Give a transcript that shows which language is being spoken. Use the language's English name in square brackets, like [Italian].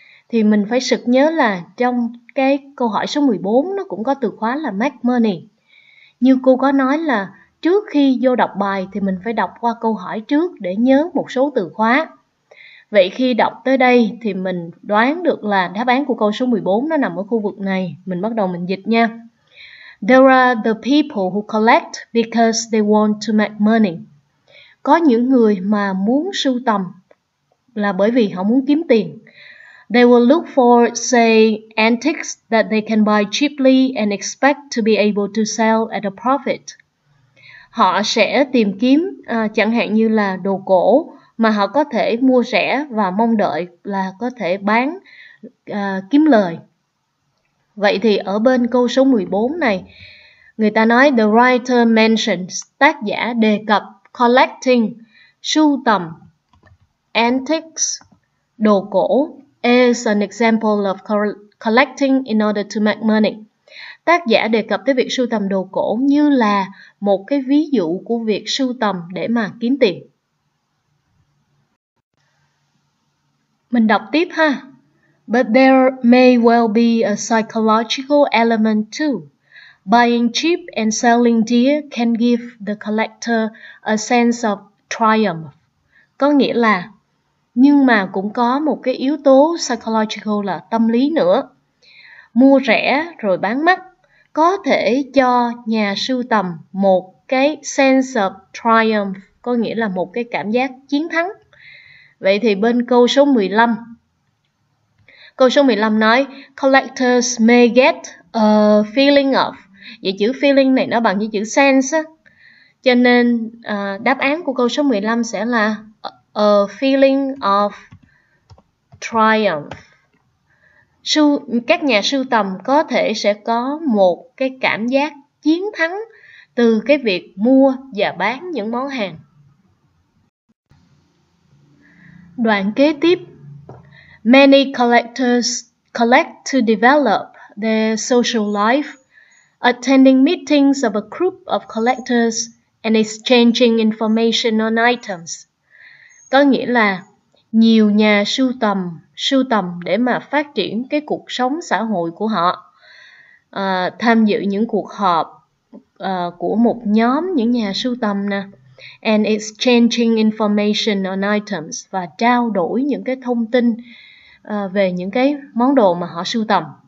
[Vietnamese] Thì mình phải sực nhớ là trong cái câu hỏi số 14 nó cũng có từ khóa là [English] make money. [Vietnamese] Như cô có nói là trước khi vô đọc bài thì mình phải đọc qua câu hỏi trước để nhớ một số từ khóa. Vậy khi đọc tới đây thì mình đoán được là đáp án của câu số 14 nó nằm ở khu vực này. Mình bắt đầu mình dịch nha. [English] There are the people who collect because they want to make money. [Vietnamese] Có những người mà muốn sưu tầm là bởi vì họ muốn kiếm tiền. [English] They will look for, say, antiques that they can buy cheaply and expect to be able to sell at a profit. [Vietnamese] Họ sẽ tìm kiếm chẳng hạn như là đồ cổ mà họ có thể mua rẻ và mong đợi là có thể bán kiếm lời. Vậy thì ở bên câu số 14 này, người ta nói [English] the writer mentions, [Vietnamese] tác giả đề cập collecting, sưu tầm, antiques, đồ cổ, [English] is an example of collecting in order to make money. [Vietnamese] Tác giả đề cập tới việc sưu tầm đồ cổ như là một cái ví dụ của việc sưu tầm để mà kiếm tiền. Mình đọc tiếp ha. [English] But there may well be a psychological element too. Buying cheap and selling dear can give the collector a sense of triumph. [Vietnamese] Có nghĩa là, nhưng mà cũng có một cái yếu tố psychological là tâm lý nữa. Mua rẻ rồi bán mắc có thể cho nhà sưu tầm một cái [English] sense of triumph, [Vietnamese] có nghĩa là một cái cảm giác chiến thắng. Vậy thì bên câu số 15. Câu số 15 nói, [English] collectors may get a feeling of. [Vietnamese] Vậy chữ feeling này nó bằng với chữ sense. Cho nên đáp án của câu số 15 sẽ là [English] a feeling of triumph. [Vietnamese] Các nhà sưu tầm có thể sẽ có một cái cảm giác chiến thắng từ cái việc mua và bán những món hàng. Đoạn kế tiếp. [English] Many collectors collect to develop their social life, attending meetings of a group of collectors and exchanging information on items. [Vietnamese] Có nghĩa là nhiều nhà sưu tầm để mà phát triển cái cuộc sống xã hội của họ, tham dự những cuộc họp của một nhóm những nhà sưu tầm nè, [English] and exchanging information on items, [Vietnamese] và trao đổi những cái thông tin về những cái món đồ mà họ sưu tầm.